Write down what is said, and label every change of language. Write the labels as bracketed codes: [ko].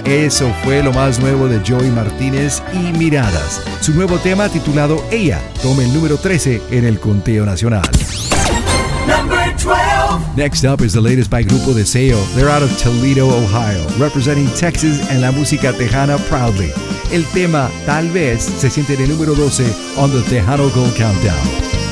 [es] Eso fue lo más nuevo de Joey Martínez y Miradas. Su nuevo tema titulado Ella toma el número 13 en el conteo nacional. [en] Number 12. Next up is the latest by Grupo Deseo. They're out of Toledo, Ohio, representing Texas and [es] la música tejana [en] proudly. [es] El tema Tal vez se siente en el número 12 [en] on the Tejano Gold Countdown.